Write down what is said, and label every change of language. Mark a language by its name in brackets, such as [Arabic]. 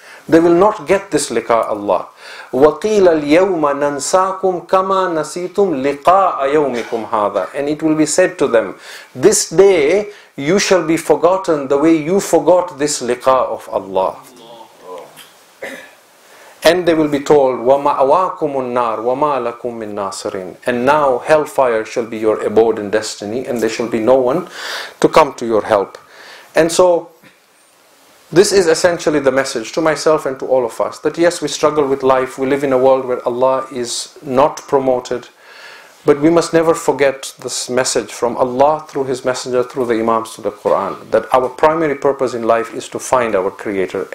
[English] They will not get this liqa Allah. [Arabic] وَقِيلَ الْيَوْمَ نَنْسَاكُمْ كَمَا نَسِيتُمْ لِقَاءَ يَوْمِكُمْ هَذَا. [English] And it will be said to them, this day you shall be forgotten the way you forgot this liqa of Allah. And they will be told, [Arabic] وَمَأَوَاكُمُ النَّارُ وَمَا لَكُم مِّن نَاصِرِينَ. [English] And now hellfire shall be your abode and destiny, and there shall be no one to come to your help. And so, this is essentially the message to myself and to all of us, that yes, we struggle with life, we live in a world where Allah is not promoted, but we must never forget this message from Allah through His Messenger, through the Imams to the Quran, that our primary purpose in life is to find our Creator.